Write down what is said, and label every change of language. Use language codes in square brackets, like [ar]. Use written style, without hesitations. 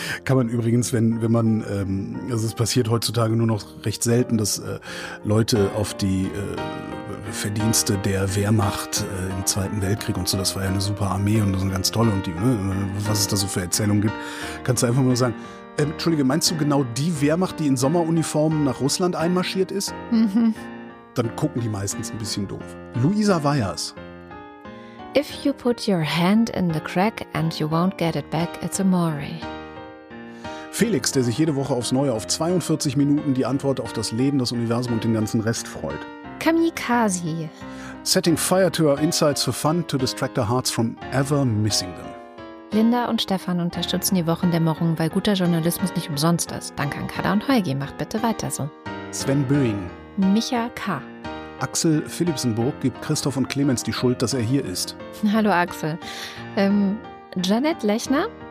[de] Kann man übrigens, wenn man, also es passiert heutzutage nur noch recht selten, dass Leute auf die Verdienste der Wehrmacht im Zweiten Weltkrieg und so, das war ja eine super Armee und das ist ganz toll und die, ne, was es da so für Erzählungen gibt, kannst du einfach nur sagen, Entschuldige, meinst du genau die Wehrmacht, die in Sommeruniformen nach Russland einmarschiert ist? Mhm. dann gucken die meistens ein bisschen doof. Luisa Weyers. [en] If you put your hand in the crack and you won't get it back, it's a moray. [de] Felix, der sich jede Woche aufs Neue auf 42 Minuten die Antwort auf das Leben, das Universum und den ganzen Rest freut. Kamikaze. [en] Setting fire to our insides for fun to distract our hearts from ever missing them. [de] Linda und Stefan unterstützen die Wochendämmerung, weil guter Journalismus nicht umsonst ist. Danke an Kader und Heugi, macht bitte weiter so. Sven Böing. Micha K. Axel Philipsenburg gibt Christoph und Clemens die Schuld, dass er hier ist. Hallo Axel. Janet Lechner.